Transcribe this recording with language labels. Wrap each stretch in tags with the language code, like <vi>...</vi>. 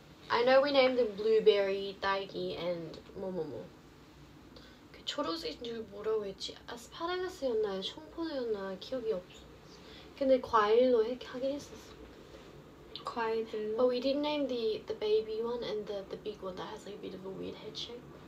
<en>I know we named them blueberry,</en> <ko>딸기,</ko> <en>and</en> <ko>뭐뭐뭐. 그 초록색인 줄 뭐라고 했지? 아스파라거스였나요? 청포도였나요? 기억이 없어. 근데 과일로 하긴 했었어. 과일들.</ko> <en>But we didn't name the baby one and the big one that has like a bit of a weird head shape.</en>